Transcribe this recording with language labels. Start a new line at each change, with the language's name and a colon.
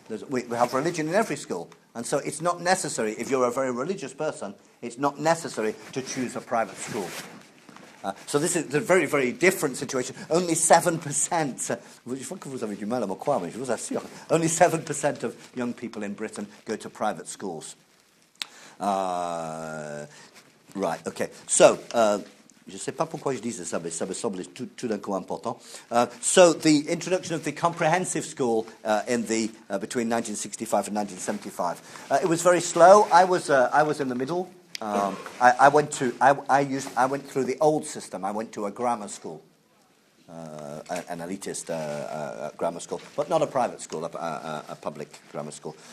English: We have religion in every school. And so it's not necessary, if you're a very religious person, it's not necessary to choose a private school. So this is a very, very different situation. Only 7%. Only 7% of young people in Britain go to private schools. Right, okay.
French: So, je ne sais pas pourquoi je dis ça, mais ça me semble tout d'un coup important.
English: So the introduction of the comprehensive school between 1965 and 1975. It was very slow. I was in the middle. I went through the old system. I went to a grammar school, an elitist grammar school, but not a private school, a public grammar school.